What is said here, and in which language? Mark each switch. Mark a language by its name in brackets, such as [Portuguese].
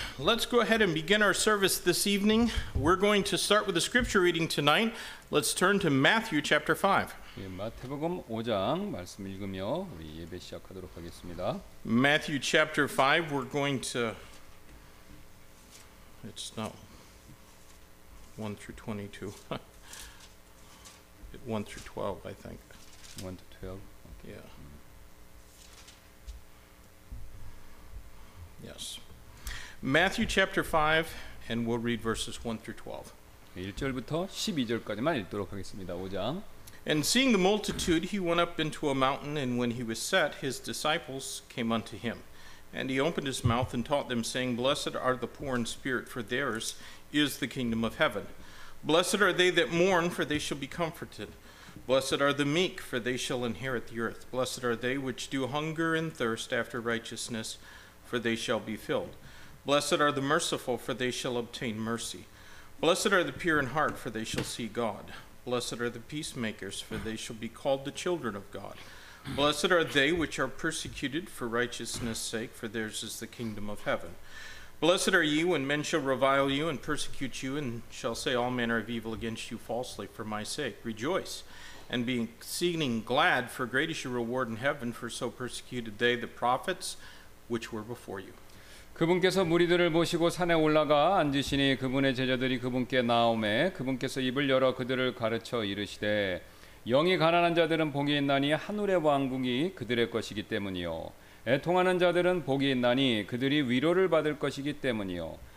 [English] Let's go ahead and begin our service this evening. We're going to start with the scripture reading tonight. Let's turn to Matthew chapter 5. [Korean] 예, 마태복음 5장 말씀 읽으며 우리 예배 시작하도록 하겠습니다. [English] Matthew chapter 5, we're going to... It's not 1 through 22. 1 through 12, I think. 1 to 12. Okay. Yeah. Yes. Matthew chapter 5, and we'll read verses 1 through 12. [Korean] 1절부터 12절까지만 읽도록 하겠습니다. 5장. [English] And seeing the multitude, he went up into a mountain, and when he was set, his disciples came unto him. And he opened his mouth and taught them, saying, Blessed are the poor in spirit, for theirs is the kingdom of heaven. Blessed are they that mourn, for they shall be comforted. Blessed are the meek, for they shall inherit the earth. Blessed are they which do hunger and thirst after righteousness, for they shall be filled. Blessed are the merciful, for they shall obtain mercy. Blessed are the pure in heart, for they shall see God. Blessed are the peacemakers, for they shall be called the children of God. Blessed are they which are persecuted for righteousness' sake, for theirs is the kingdom of heaven. Blessed are ye when men shall revile you and persecute you, and shall say all manner of evil against you falsely for my sake. Rejoice, and be exceeding glad, for great is your reward in heaven, for so persecuted they the prophets which were before you. [Korean] 그분께서 무리들을 모시고 산에 올라가 앉으시니 그분의 제자들이 그분께 나오매 그분께서 입을 열어 그들을 가르쳐 이르시되 영이 가난한 자들은 복이 있나니 하늘의 왕궁이 그들의 것이기 때문이요 애통하는 자들은 복이 있나니 그들이 위로를 받을 것이기 때문이요